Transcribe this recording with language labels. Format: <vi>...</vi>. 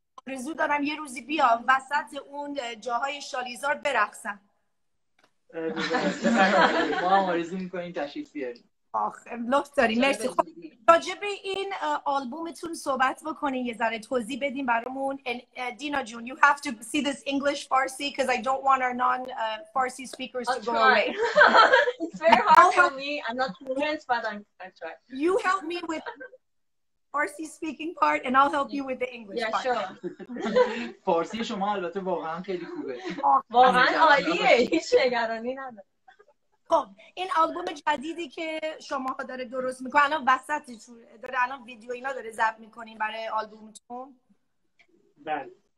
<fa>آرزو دارم یه روزی بیام وسط اون جاهای شالیزار برقصم. ما هم آرزو میکنیم تشریف بیاریم. آخه لطف داری مرسی. خب راجب این آلبومتون صحبت بکنین، یه ذره توضیح بدین برامون.</fa> <en>دینا جون you have to see this English Farsi because I don't want our non Farsi speakers I'll to try. Go away. It's very hard for me. I'm not fluent, but I'll try. You help me with Farsi speaking part and I'll help you with the English part. Yeah, sure.</en> <fa>Farsi شما البته واقعا خیلی خوبه. واقعا عالیه. هیچ نگرانی نداره. خب این آلبوم جدیدی که شما ها داره درست میکنه الان وسطی چون داره الان ویدیو اینا داره ضبط میکنین برای آلبومتون؟ بله.</fa>